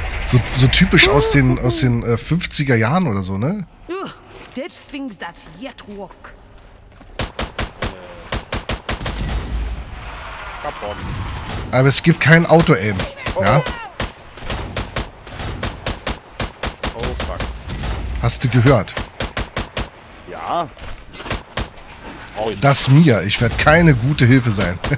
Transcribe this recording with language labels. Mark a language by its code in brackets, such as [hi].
[de] So typisch aus den 50er Jahren oder so, ne? [en] Dead things that yet walk. [de] Aber es gibt kein Auto-Aim. Ja? [en] Oh, fuck. [de] Hast du gehört? Ja. Das mir. Ich werde keine gute Hilfe sein.